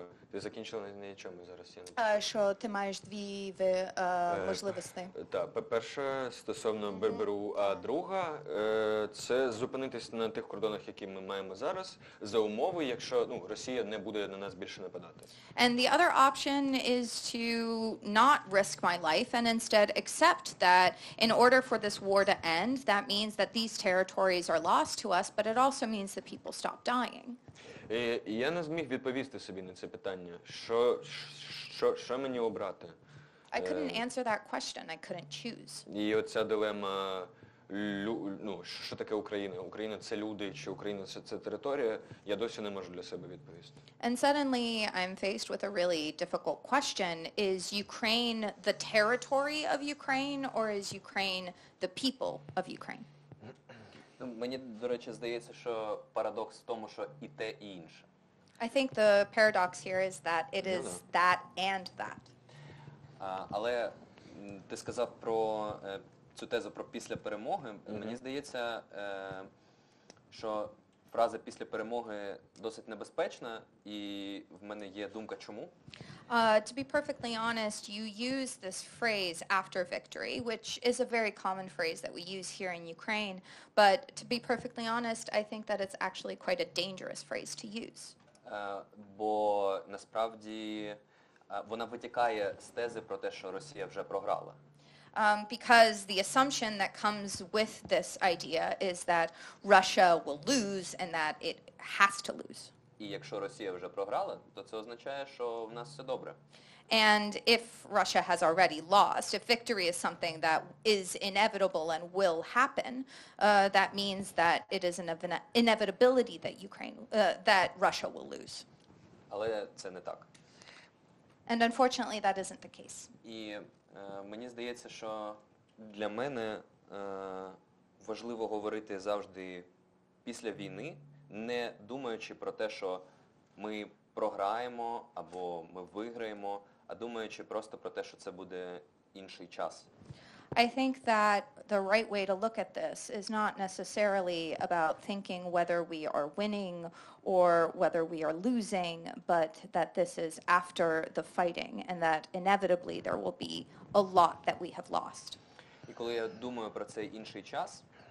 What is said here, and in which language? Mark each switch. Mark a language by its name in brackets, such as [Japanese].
[Ukrainian] Ти закінчила на чому зараз? Що ти маєш дві можливості. Так, перша стосовно Берберу, а друга – це зупинитись на тих кордонах, які ми маємо зараз, за умови, якщо Росія не буде на нас більше нападати. [English] And the other option is to not risk my life and instead accept that in order for this war to end, that means that these territories are lost to us, but it also means that people stop dying. [Ukrainian] І я не зміг відповісти собі на це питання. Що мені обрати? [English] I couldn't answer that question. I couldn't choose. [Ukrainian] І оця дилема ну, що таке Україна? Україна – це люди, чи Україна – це територія? Я досі не можу для себе відповісти. [English] And suddenly I'm faced with a really difficult question. Is Ukraine the territory of Ukraine, or is Ukraine the people of Ukraine? [Ukrainian] Ну, мені, до речі, здається, що парадокс в тому, що і те, і інше. [English] I think the paradox here is that it is that and that. [Ukrainian] Але ти сказав про цю тезу про після перемоги. Мені здається, що фраза після перемоги досить небезпечна, і в мене є думка чому. [English] To be perfectly honest, you use this phrase after victory, which is a very common phrase that we use here in Ukraine, but to be perfectly honest, I think that it's actually quite a dangerous phrase to use. [Ukrainian] Бо насправді вона витікає з тези про те, що Росія вже програла. [English] Because the assumption that comes with this idea is that Russia will lose and that it has to lose. [Ukrainian] І якщо Росія вже програла, то це означає, що в нас все добре. [English] And if Russia has already lost, if victory is something that is inevitable and will happen, that means that it is an inevitability that Ukraine, that Russia will lose. [Ukrainian] Але це не так. [English] And unfortunately, that isn't the case. [Ukrainian] І мені здається, що для мене важливо говорити завжди після війни, не думаючи про те, що ми програємо або ми виграємо, а думаючи просто про те, що це буде інший час. [English] I think that the right way to look at this is not necessarily about thinking whether we are winning or whether we are losing, but that this is after the fighting and that inevitably there will be a lot that we have lost. [Ukrainian] І коли я думаю про цей інший час,